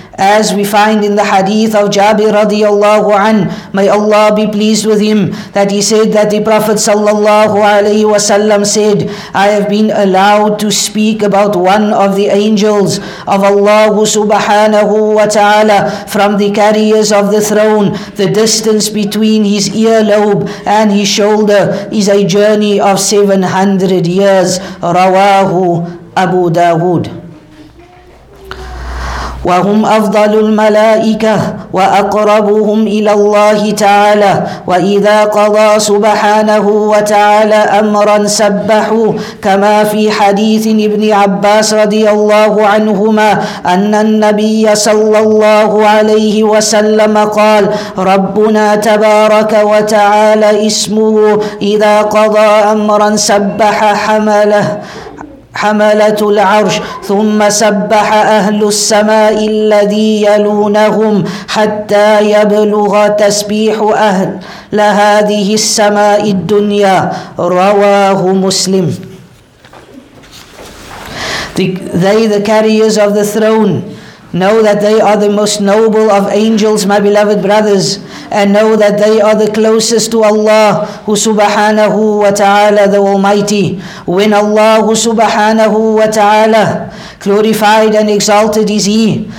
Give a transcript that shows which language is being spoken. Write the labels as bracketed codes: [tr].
[en] As we find in the hadith of Jabir radiallahu an, may Allah be pleased with him, that he said that the Prophet sallallahu alayhi wa sallam said, I have been allowed to speak about one of the angels of Allah subhanahu wa ta'ala from the carriers of the throne. The distance between his earlobe and his shoulder is a journey of 700 years. [ar] Rawahu Abu Dawood. وهم أفضل الملائكة وأقربهم إلى الله تعالى وإذا قضى سبحانه وتعالى أمرا سبحوا كما في حديث ابن عباس رضي الله عنهما أن النبي صلى الله عليه وسلم قال ربنا تبارك وتعالى اسمه إذا قضى أمرا سبح حمله حملة العرش ثم سبح أهل السماء الذي يلونهم حتى يبلغ تسبيح أهل هذه السماء الدنيا رواه مسلم. [en] The carriers of the throne know that they are the most noble of angels, my beloved brothers, and know that they are the closest to Allah, who subhanahu wa ta'ala, the Almighty. When Allah, who subhanahu wa ta'ala, glorified and exalted is He.